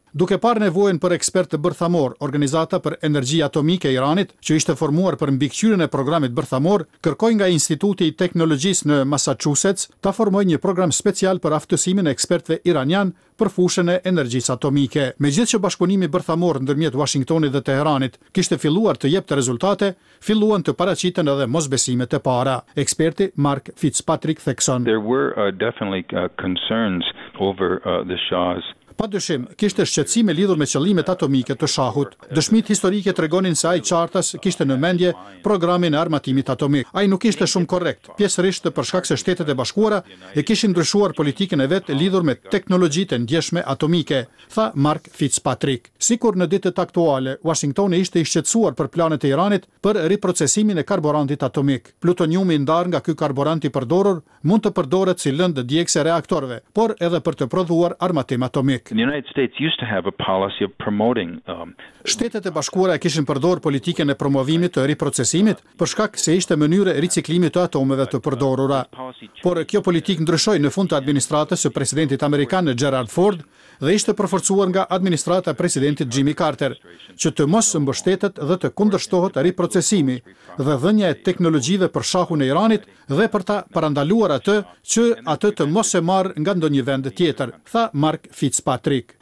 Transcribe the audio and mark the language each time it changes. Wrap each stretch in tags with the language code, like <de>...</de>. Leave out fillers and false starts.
<sq>Duke parë nevojën për ekspertë bërthamor, Organizata për Energji Atomike e Iranit, që ishte formuar për mbikëqyrjen e programit bërthamor, kërkoi nga Instituti i Teknologjisë në Massachusetts ta formojë një program special për aftësimin e ekspertëve iranian për fushën e energjisë atomike. Megjithëse bashkëpunimi bërthamor ndërmjet Washingtonit dhe Teheranit kishte filluar të jepte rezultate, filluan të paraqiten edhe mosbesimet e para. Eksperti Mark Fitzpatrick thekson:</sq> <en>There were definitely concerns over the Shah's.</en> <sq>Pa dyshim, kishte shqetësime lidhur me qëllimet atomike të shahut. Dëshmit historike tregonin se ai qartas kishte në mendje programin e armatimit atomik. Ai nuk ishte shumë korrekt, pjesërisht për shkak se Shtetet e Bashkuara e kishin ndryshuar politikën e vet lidhur me teknologjitë ndjeshme atomike, tha Mark Fitzpatrick. Sikur në ditët aktuale, Washingtoni ishte i shqetësuar për planet e Iranit për riprocesimin e karburantit atomik. Plutoniumi ndar nga ky karburant i përdorur mund të përdoret si lëndë djegëse reaktorëve, por edhe për të prodhuar armatim atomik.</sq> <en>The United States used to have a policy of promoting</en> <sq>Shtetet e Bashkuara kishin përdorur politikën e promovimit të riprocesimit për shkak se ishte mënyrë e riciklimit të atomeve të përdorura. Por kjo politikë ndryshoi në fund të administratës së presidentit amerikan Gerald Ford dhe ishte përforcuar nga administrata e presidentit Jimmy Carter, që të mos mbështetet dhe të kundërshtohet riprocesimi dhe dhënia e teknologjive për shahun e Iranit dhe për ta parandaluar atë që atë të mos e marr nga ndonjë vend tjetër, tha Mark Fitzpatrick. Patrik.</sq>